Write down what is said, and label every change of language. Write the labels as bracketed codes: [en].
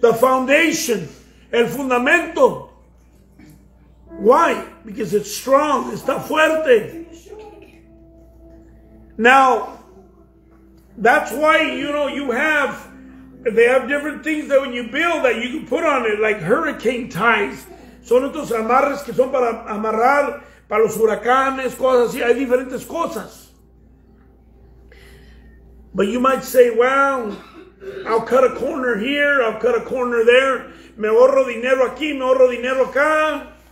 [en] The foundation. [es] El fundamento. [en] Why? Because it's strong. [es] Está fuerte. [en] Now, that's why, you know, they have different things that when you build that you can put on it, like hurricane ties. [es] Son estos amarres que son para amarrar para los huracanes, cosas así. Hay diferentes cosas. [en] But you might say, well, I'll cut a corner here, I'll cut a corner there. [es] Me ahorro dinero aquí, me ahorro dinero acá.